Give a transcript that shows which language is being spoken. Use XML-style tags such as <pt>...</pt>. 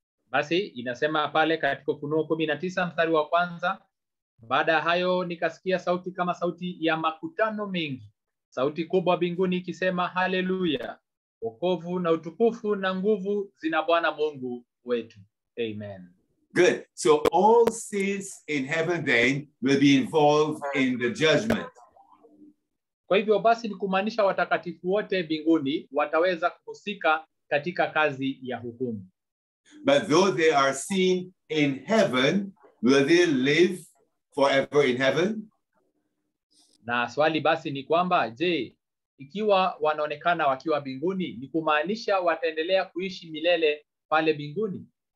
<sw>Basi inasema pale katika Ufunuo 19 mstari wa kwanza, baada hayo nikasikia sauti kama sauti ya makutano mengi, sauti kubwa mbinguni ikisema haleluya, wokovu na utukufu na nguvu zina Bwana Mungu wetu. Amen.</sw> <en>Good. So all saints in heaven then will be involved in the judgment.</en> <sw>Kwa hivyo basi ni kumaanisha watakatifu wote mbinguni wataweza kuhusika katika kazi ya hukumu.</sw> <en>But though they are seen in heaven, will they live forever in heaven?</en> <sw>Na swali basi ni kwamba, je, ikiwa wanaonekana wakiwa mbinguni, ni kumaanisha wataendelea kuishi milele pale mbinguni?</sw>